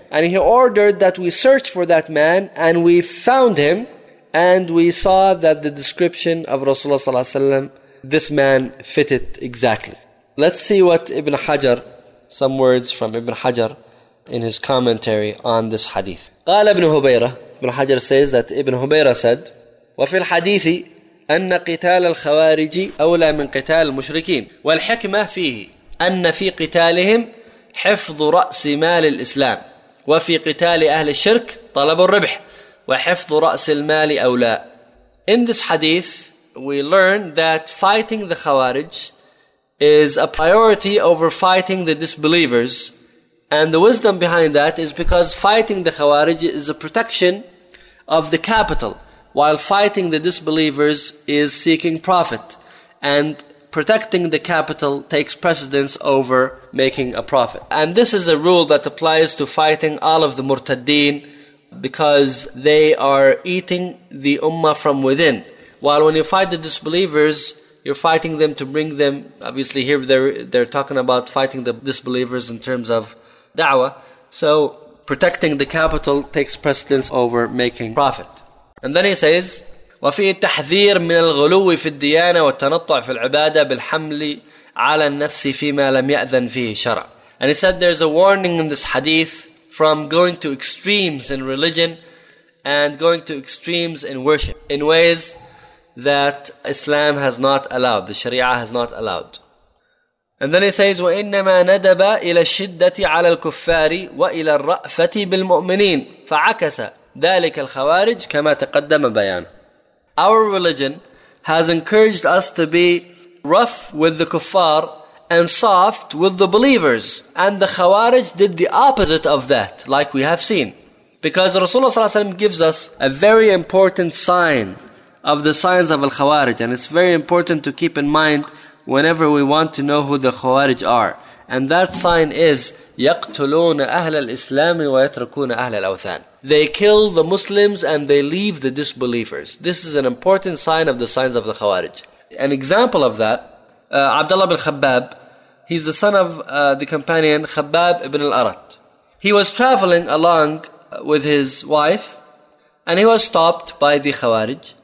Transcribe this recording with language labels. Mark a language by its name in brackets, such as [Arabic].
[English] And he ordered that we search for that man, and we found him, and we saw that the description of Rasulullah ﷺ, this man fitted exactly. Let's see what Ibn Hajar, some words from Ibn Hajar in his commentary on this hadith. [Arabic] قال ابن هبيرة, [English] Ibn Hajar says that Ibn Hubayra said, [Arabic] وفي الحديث أن قتال الخوارج أولى من قتال المشركين والحكمة فيه أن في قتالهم حفظ رأس مال الإسلام وفي قتال أهل الشرك طلب الربح وحفظ رأس المال أولى. [English] In this hadith, we learn that fighting the Khawarij is a priority over fighting the disbelievers. And the wisdom behind that is because fighting the Khawarij is a protection of the capital, while fighting the disbelievers is seeking profit. And protecting the capital takes precedence over making a profit. And this is a rule that applies to fighting all of the Murtaddeen, because they are eating the Ummah from within. While when you fight the disbelievers, you're fighting them to bring them, obviously here they're talking about fighting the disbelievers in terms of da'wah. So protecting the capital takes precedence over making profit. And then he says, [Arabic] وفي التحذير من الغلو في الديانة والتنطع في العبادة بالحمل على النفس فيما لم يأذن فيه شرع. [English] And he said there's a warning in this hadith from going to extremes in religion and going to extremes in worship in ways that Islam has not allowed, the Sharia has not allowed. And then he says, [Arabic] وَإِنَّمَا نَدَبَ إِلَى الشِّدَّةِ عَلَى الْكُفَّارِ وَإِلَى الرَّأْفَةِ بِالْمُؤْمِنِينَ فَعَكَسَ ذَلِكَ الْخَوَارِجِ كَمَا تَقَدَّمَ بَيَانَ. [English] Our religion has encouraged us to be rough with the kuffar and soft with the believers. And the Khawarij did the opposite of that, like we have seen. Because Rasulullah ﷺ gives us a very important sign of the signs of Al-Khawarij. And it's very important to keep in mind whenever we want to know who the Khawarij are. And that sign is, [Arabic] يَقْتُلُونَ أَهْلَ الْإِسْلَامِ وَيَتْرَكُونَ أَهْلَ الْأَوْثَانِ. [English] They kill the Muslims and they leave the disbelievers. This is an important sign of the signs of the Khawarij. An example of that, Abdullah bin Khabbab, he's the son of the companion Khabbab ibn al-Arat. He was traveling along with his wife and he was stopped by the Khawarij.